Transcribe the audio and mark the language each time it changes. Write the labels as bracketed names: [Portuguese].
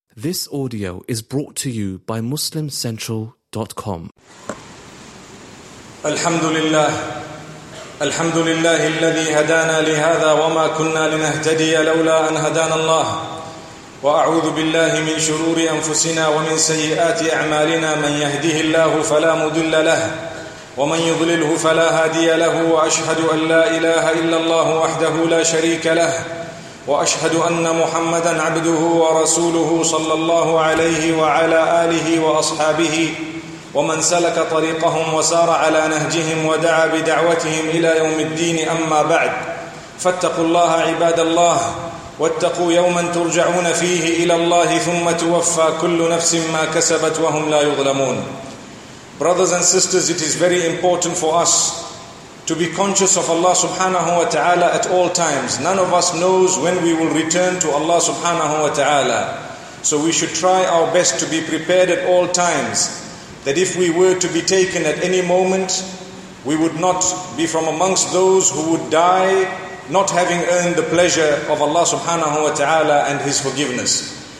[English] This audio is brought to you by MuslimCentral.com. Alhamdulillah. [Arabic] Alhamdulillah الذي هدانا لهذا وما كنا لنهتدي لولا أن هدانا الله. وأعوذ بالله من شرور أنفسنا ومن سيئات أعمالنا. من يهده الله فلا مضل له ومن يضلله فلا هادي له. وأشهد أن لا إله إلا الله وحده لا شريك له. وأشهد أن محمدًا عبده ورسوله صلى الله عليه وعلى آله وأصحابه ومن سلك طريقهم وسار على نهجهم ودعا بدعوتهم إلى يوم الدين. أما بعد، فاتقوا الله عباد الله، واتقوا يومًا ترجعون فيه إلى الله، ثم توفى كل نفس ما كسبت وهم لا يظلمون. [English] Brothers and sisters, it is very important for us to be conscious of Allah subhanahu wa ta'ala at all times. None of us knows when we will return to Allah subhanahu wa ta'ala. So we should try our best to be prepared at all times, that if we were to be taken at any moment, we would not be from amongst those who would die not having earned the pleasure of Allah subhanahu wa ta'ala and His forgiveness.